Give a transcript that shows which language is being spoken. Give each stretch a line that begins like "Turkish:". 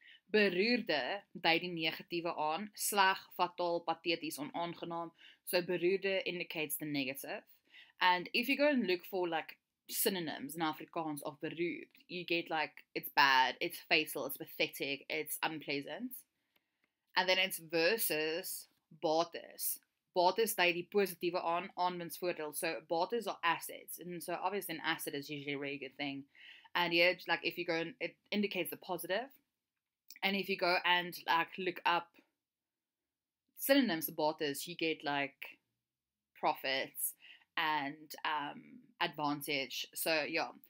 Afrikaans: Beroerde dui die negatiewe aan, sleg, fataal, pateties, onaangenaam.
English: So beroerde indicates the negative. And if you go and look for like synonyms in Afrikaans of beroerd, you get like it's bad, it's fatal, it's pathetic, it's unpleasant. And then it's versus bates.
Afrikaans: Bates dui die positiewe aan, aanwinsvoordeel.
English: So bates are acids. And so obviously an acid is usually a really good thing. And yeah, like if you go and it indicates the positive. And if you go and like look up synonyms of bates, you get like profits and advantage. So yeah.